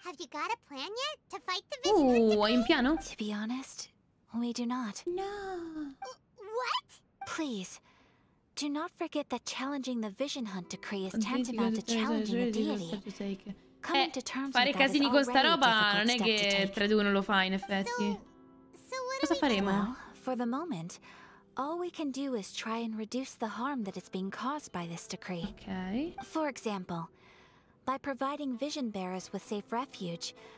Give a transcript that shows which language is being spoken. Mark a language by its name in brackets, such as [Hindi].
[English] Have you got a plan yet to fight the [Italian] vision? In piano? [English] To be honest, we do not. No. What? Please, do not forget that challenging the vision hunt decree is tantamount to challenging the deity. [Italian] Fare casini con sta roba non è che 3-2-1 lo fa, in effetti. Cosa faremo? [English] For the moment, all we can do is try and reduce the harm that is being caused by this decree. Okay. For example, by providing vision bearers with safe refuge.